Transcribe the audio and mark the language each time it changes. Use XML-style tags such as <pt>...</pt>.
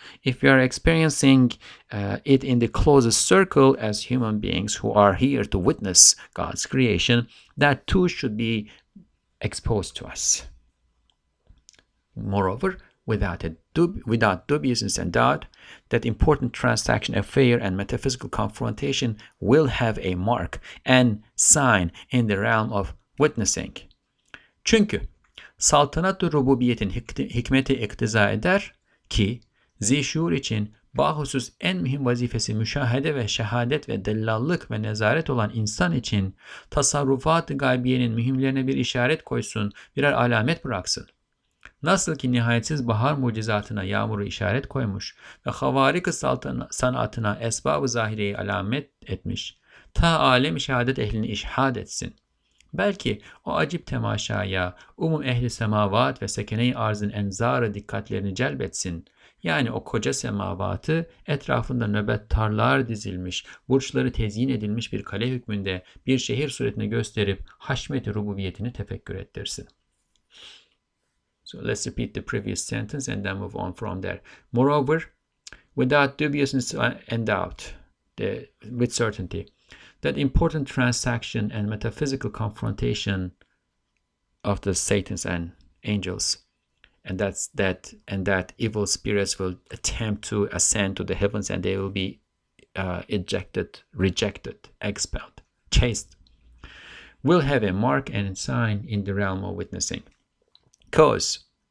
<en>If we are experiencing it in the closest circle as human beings who are here to witness God's creation, that too should be exposed to us. Moreover, without dubiousness and doubt, that important transaction, affair, and metaphysical confrontation will have a mark and sign in the realm of witnessing.</en> <tr>Çünkü saltanat-ı rububiyetin hikmeti iktiza eder ki, zişûr için bahusus en mühim vazifesi müşahede ve şehadet ve dellallık ve nezaret olan insan için tasarrufat-ı gaybiyenin mühimlerine bir işaret koysun, birer alamet bıraksın. Nasıl ki nihayetsiz bahar mucizatına yağmuru işaret koymuş ve havarik-ı sanatına esbab-ı zahireyi alamet etmiş, ta alem-i şehadet ehlini işhad etsin. Belki o acip temaşaya umum ehli semavat ve sekene-i arzın enzarı dikkatlerini celbetsin. Yani o koca semavatı etrafında nöbettarlar dizilmiş, burçları tezyin edilmiş bir kale hükmünde bir şehir suretine gösterip haşmet-i rububiyetini tefekkür ettirsin.</tr> <en>So let's repeat the previous sentence and then move on from there. Moreover, without dubiousness and doubt, with certainty, that important transaction and metaphysical confrontation of the Satans and angels, and that evil spirits will attempt to ascend to the heavens and they will be ejected, rejected, expelled, chased, will have a mark and sign in the realm of witnessing. Because</en>